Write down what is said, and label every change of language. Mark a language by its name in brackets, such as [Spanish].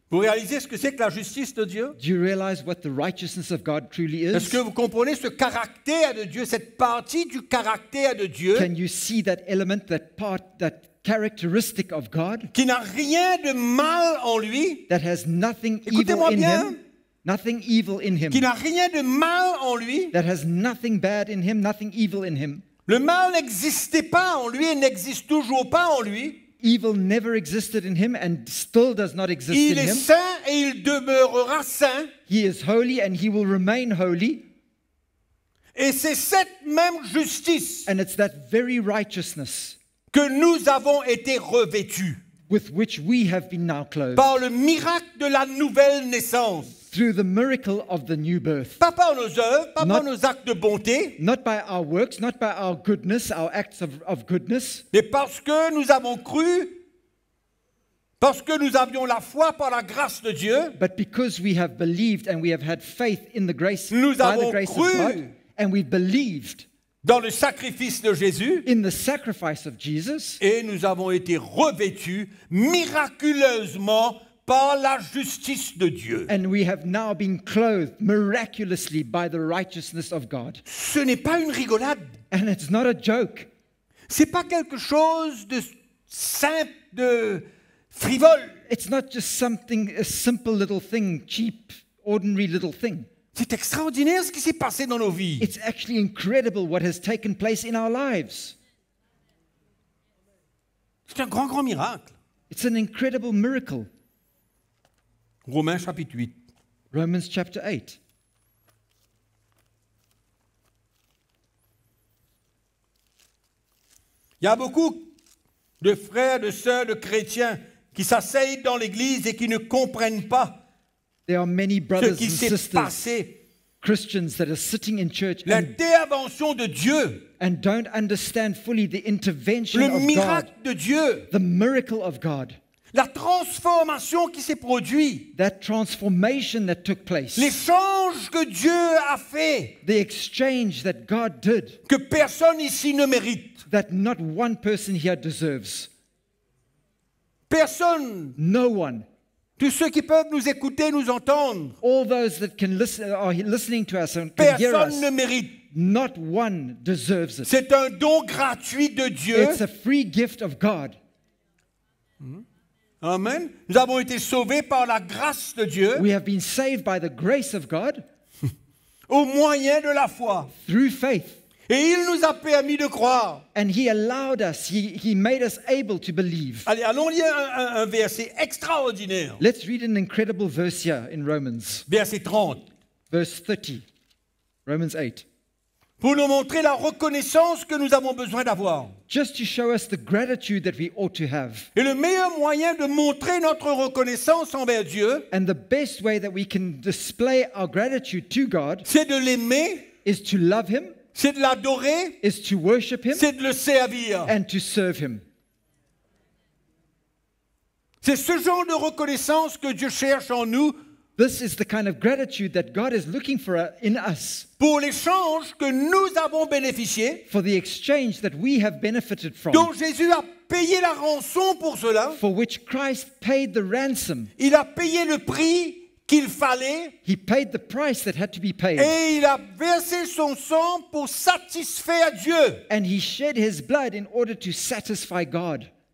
[French] Vous réalisez ce que c'est que la justice de Dieu? [English] Do you realize what the righteousness of God truly is? [French] Est-ce que vous comprenez ce caractère de Dieu, cette partie du caractère de Dieu? [English] Can you see that element, that part, that characteristic of God, [French] qui n'a rien de mal en lui, [English] that has nothing evil in [French] bien. [English] Him, nothing evil in him, [French] qui n'a rien de mal en lui, [English] that has nothing bad in him, nothing evil in him. [French] Le mal n'existait pas en lui et n'existe toujours pas en lui. [English] Evil never existed in him and still does not exist [French] il [English] in him. [French] Il est saint et il demeurera saint. [English] He is holy and he will remain holy. [French] Et c'est cette même justice. [English] And it's that very righteousness. [French] Que nous avons été revêtus [English] with which we have been now clothed. [French] Par le miracle de la nouvelle naissance. [English] Through the miracle of the new birth. [French] Pas par nos œuvres, pas par nos actes de bonté. [English] Not by our works, not by our goodness, our acts of goodness. [French] Mais parce que nous avons cru, parce que nous avions la foi par la grâce de Dieu. [English] But because we have believed and we have had faith in the grace, [French] nous [English] by [French] avons [English] the grace [French] cru [English] of God, and we believed. [French] Dans le sacrifice de Jésus. [English] In the sacrifice of Jesus. [French] Et nous avons été revêtus miraculeusement par la justice de Dieu. [English] And we have now been clothed miraculously by the righteousness of God. [French] Ce n'est pas une rigolade. [English] And it's not a joke. [French] C'est pas quelque chose de simple, de frivole. [English] It's not just something, a simple little thing, cheap, ordinary little thing. [French] C'est extraordinaire ce qui s'est passé dans nos vies. [English] It's actually incredible what has taken place in our lives. [French] C'est un grand, grand miracle. [English] It's an incredible miracle. [French] Romains chapitre 8. [English] Romans chapter 8. [French] Il y a beaucoup de frères, de sœurs, de chrétiens qui s'asseyent dans l'église et qui ne comprennent pas ce qui s'est passé. [English] Christians that are sitting in church [French] l'intervention de Dieu [English] and don't understand fully the intervention [French] le miracle [English] of God, [French] de Dieu [English] the miracle of God, [French] la transformation qui s'est produite [English] that transformation that took place, [French] l'échange que Dieu a fait [English] the exchange that God did, [French] que personne ici ne mérite [English] that not one person here deserves. [French] Personne [English] no one. [French] Tous ceux qui peuvent nous écouter, nous entendre. [English] All those that can listen, are listening to us and can [French] personne [English] hear us. [French] Ne mérite. [English] Not one deserves it. [French] C'est un don gratuit de Dieu. [English] It's a free gift of God. Amen. [French] Nous avons été sauvés par la grâce de Dieu. [English] We have been saved by the grace of God. [French] Au moyen de la foi. [English] Through faith. [French] Et il nous a permis de croire. [English] And he allowed us, he made us able to believe. [French] Allez, allons lire un verset extraordinaire. [English] Let's read an incredible verse here in Romans. [French] Verset 30. [English] Verse 30. Romans 8. [French] Pour nous montrer la reconnaissance que nous avons besoin d'avoir. [English] Just to show us the gratitude that we ought to have. [French] Et le meilleur moyen de montrer notre reconnaissance envers Dieu. [English] And the best way that we can display our gratitude to God. [French] C'est de l'aimer. [English] Is to love him. [French] C'est de l'adorer. [English] Is to worship him. [French] C'est de le servir. [English] And to serve him. [French] C'est ce genre de reconnaissance que Dieu cherche en nous. [English] This is the kind of gratitude that God is looking for in us. [French] Pour l'échange que nous avons bénéficié. [English] For the exchange that we have benefited from. [French] Dont Jésus a payé la rançon pour cela. [English] For which Christ paid the ransom. [French] Il a payé le prix qu'il fallait. [English] He paid the price that had to be paid. [French] Et il a versé son sang pour satisfaire Dieu. [English] And he shed his blood in order to satisfy God.